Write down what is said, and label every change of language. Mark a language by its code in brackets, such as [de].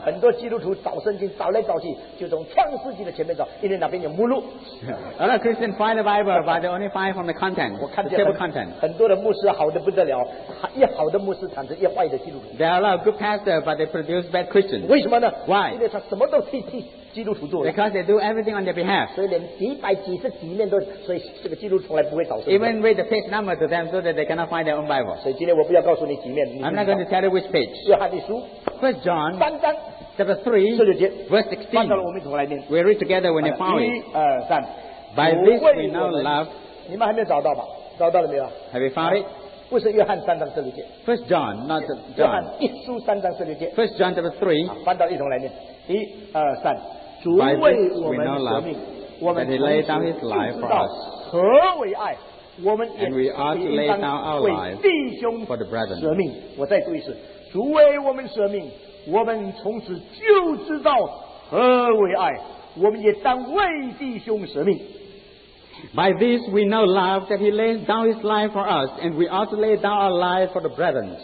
[zh] 很多基督徒找圣经找来找去，就从创世纪的前面找，因为那边有目录。 [en] A lot of Christians find the Bible, but they only find from the content. [zh] 我看见 [en] the content. [zh] 很多的牧师好的不得了，越好的牧师产生越坏的基督徒。 [en] There are a lot of good pastors, but they produce bad Christians. [zh] 为什么呢 [en] ？Why？ [zh] 因为他什么都替基督徒做。 [en] Because they do everything on their behalf. [zh] 所以连几百几十几面都，所以这个基督徒从来不会找圣经。 [en] Even read the page number to them so that they cannot find their own Bible. [zh] 所以今天我不要告诉你几面。 [en] I'm not going to tell you which page. [zh] 约翰一书 [en] First John [zh] 三章 [en] chapter 3 [zh] 十六节 [en] verse 16。 [zh] 翻到了我们一同来念。 [en] We read together when you find it. [zh] 一二三。 [en] By this we know love. [zh] 你们还没有找到吧？找到了没有 [en] ？Have you found it? [zh] 不是约翰三章十六节。 [en] First John, not John. [zh] 约翰一书三章十六节。 [en] First John chapter 3 [zh] 翻到一同来念。一二三。主为我们舍命，我们从此就知道何为爱。我们也是应当为弟兄舍命。我再读一次，主为我们舍命，我们从此就知道何为爱。我们也当为弟兄舍命。 [en] By this we know love, that he laid down his life for us, and we also lay down our life for the brethren.